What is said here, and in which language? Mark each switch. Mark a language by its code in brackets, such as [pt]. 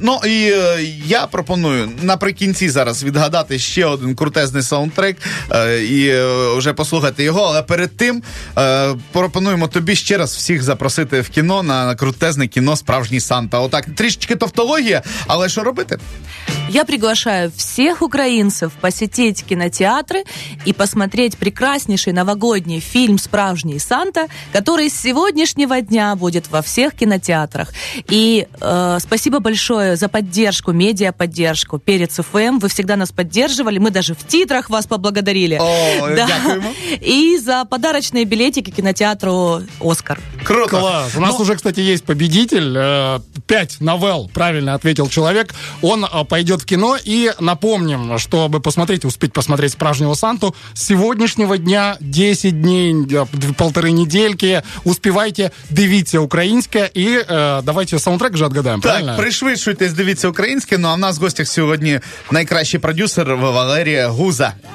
[uk] Ну і я пропоную наприкінці зараз відгадати ще один крутезний саундтрек і вже послухати його. Але перед тим пропонуємо тобі ще раз всіх запросити в кіно на крутезне кіно «Справжній Санта». Отак, трішечки тавтологія, але що робити? [ru] Я приглашаю [uk] всіх українців [ru] посетити кінотеатри и посмотреть прекраснейший новогодний фильм «Справжний Санта», который с сегодняшнего дня будет во всех кинотеатрах. И спасибо большое за поддержку, медиаподдержку Перец ФМ. Вы всегда нас поддерживали. Мы даже в титрах вас поблагодарили. И за подарочные билетики кинотеатру «Оскар». Круто. Класс. У нас уже, кстати, есть победитель. 5 новелл, правильно ответил человек. Он пойдет в кино. И напомним, чтобы успеть посмотреть «Справжнего Санта», с сегодняшнего дня 10 дней, полторы недельки. Успевайте, [uk] дивіться українське і давайте саундтрек вже отгадаємо, так, правильно? Так, пришвидшуйтесь, дивіться українське. Ну, а в нас в гостях сьогодні найкращий продюсер Валерія Гуза.